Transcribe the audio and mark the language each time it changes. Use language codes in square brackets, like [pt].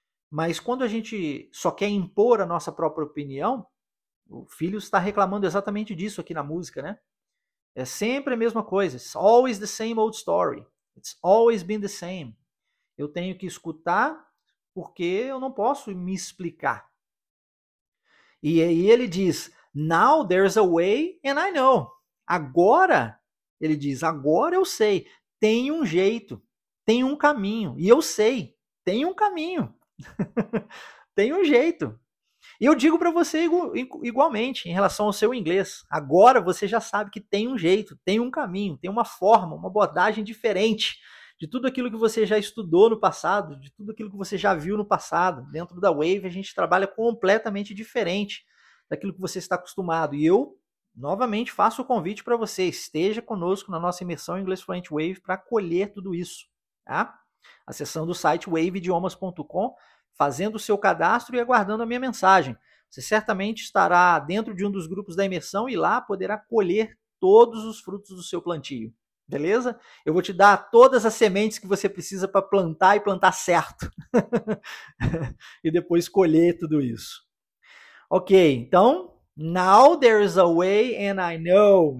[pt] Mas quando a gente só quer impor a nossa própria opinião, o filho está reclamando exatamente disso aqui na música, né? É sempre a mesma coisa. [en] It's always the same old story. It's always been the same. [pt] Eu tenho que escutar porque eu não posso me explicar. E ele diz, [en] now there's a way and I know. [pt] Agora, ele diz, agora eu sei, tem um jeito, tem um caminho, e eu sei, tem um caminho, tem um jeito. E eu digo para você igualmente, em relação ao seu inglês, agora você já sabe que tem um jeito, tem um caminho, tem uma forma, uma abordagem diferente de tudo aquilo que você já estudou no passado, de tudo aquilo que você já viu no passado. Dentro da Wave, a gente trabalha completamente diferente daquilo que você está acostumado. E eu, novamente, faço o convite para você, esteja conosco na nossa imersão em Inglês Fluent Wave para colher tudo isso, tá? Acessando o site waveidiomas.com, fazendo o seu cadastro e aguardando a minha mensagem. Você certamente estará dentro de um dos grupos da imersão e lá poderá colher todos os frutos do seu plantio. Beleza? Eu vou te dar todas as sementes que você precisa para plantar e plantar certo. E depois colher tudo isso. Ok, então, [en] now there is a way and I know.